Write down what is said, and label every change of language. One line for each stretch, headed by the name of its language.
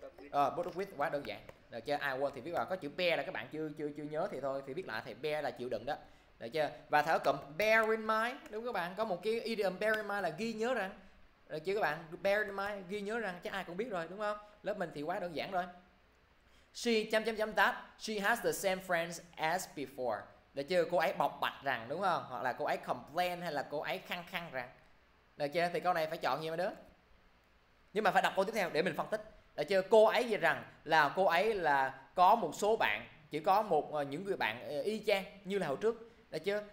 Vietnamese: Ờ,
English: put up with,
Vietnamese: quá đơn giản, được chưa? Ai quên thì biết vào, có chữ bear là các bạn chưa nhớ thì thôi, thì biết lại thì bear là chịu đựng đó, được chưa? Và thở cụm bear in mind, đúng các bạn, có một cái idiom bear in mind là ghi nhớ rằng, được chưa các bạn, bear in mind, ghi nhớ rằng, chắc ai cũng biết rồi, đúng không? Lớp mình thì quá đơn giản rồi. She ...
English: she has the same friends as before,
Vietnamese: được chưa? Cô ấy bộc bạch rằng, đúng không? Hoặc là cô ấy complain hay là cô ấy khăng khăng rằng, được chưa? Thì câu này phải chọn gì mấy đứa? Nhưng mà phải đọc câu tiếp theo để mình phân tích, được chưa? Cô ấy gì rằng là cô ấy là có một số bạn, chỉ có một những người bạn y chang như là hồi trước, được chưa?